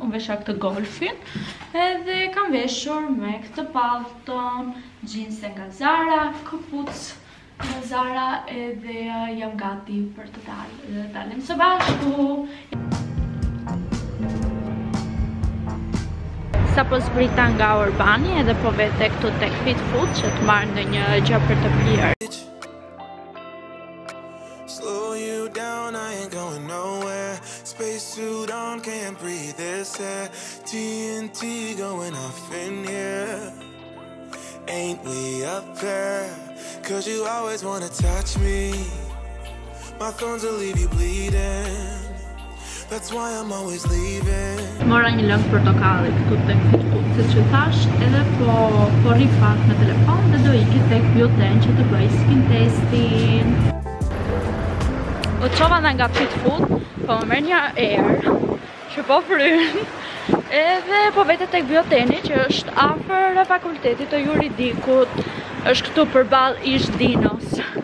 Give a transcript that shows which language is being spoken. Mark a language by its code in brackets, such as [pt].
[sq] Unë vesha këtë golfin. Edhe kam veshur me këtë pallton, xhinse nga Zara, këpucë nga Zara edhe jam gati për të dalë. Dhe dalim së bashku. Sa po zbrita nga Urbani edhe po vete këtu tek fit food që të marrë në një gjë për të pirë. [en] Slow you down, I ain't going nowhere. Space suit on, can't breathe this air. TNT going off in here. Ain't we up there? Cause you always wanna touch me. My thorns will leave you bleeding. That's why I'm always leaving. [sq] Mora një lëngë portokalli këtu tek fitput, se që thash edhe po rri pak në telefon dhe do iki tek bioten që të bëj skin testin. U qova dhe nga fitput, po më merë një air që po frynë edhe po vete tek bioteni që është afër fakultetit të juridikut, është këtu për balë ish dinos.